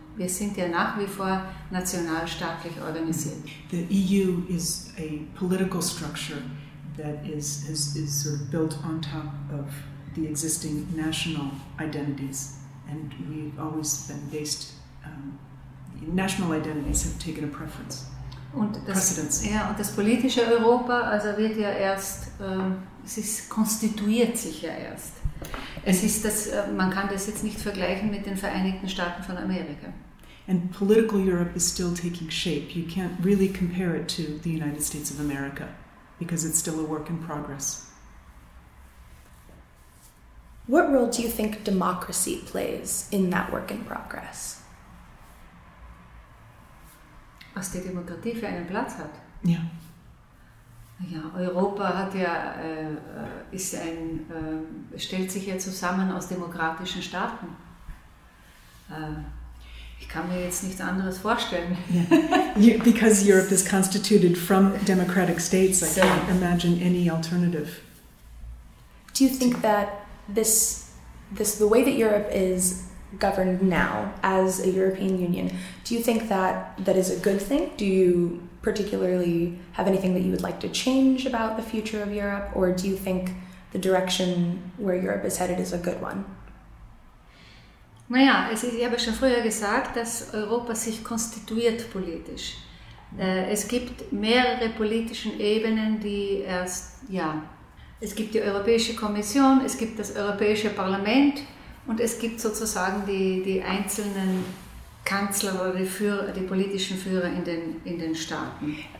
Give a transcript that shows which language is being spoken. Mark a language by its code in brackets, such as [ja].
[de] Wir sind ja nach wie vor nationalstaatlich organisiert. [en] The EU is a political structure that is sort of built on top of the existing national identities, and we've always been based. National identities have taken a preference. [de] Und das, precedence. Ja, und das politische Europa, also wird ja erst, es ist, konstituiert sich ja erst. Es ist das, man kann das jetzt nicht vergleichen mit den Vereinigten Staaten von Amerika. [en] And political Europe is still taking shape. You can't really compare it to the United States of America, because it's still a work in progress. What role do you think democracy plays in that work in progress? [de] Was die Demokratie für einen Platz hat? Ja. Ja, Europa hat ja, ist ein, stellt sich ja zusammen aus demokratischen Staaten. Ich kann mir jetzt nichts anderes vorstellen. [en] Yeah. You, because Europe is constituted from democratic states, I can't imagine any alternative. Do you think that this the way that Europe is governed now as a European Union, do you think that that is a good thing? Do you particularly have anything that you would like to change about the future of Europe, or do you think the direction where Europe is headed is a good one? [de] Naja, es ist, ich habe schon früher gesagt, dass Europa sich konstituiert politisch. Es gibt mehrere politischen Ebenen, die erst, ja, es gibt die Europäische Kommission, es gibt das Europäische Parlament und es gibt sozusagen die einzelnen Kanzler oder die politischen Führer in den Staaten.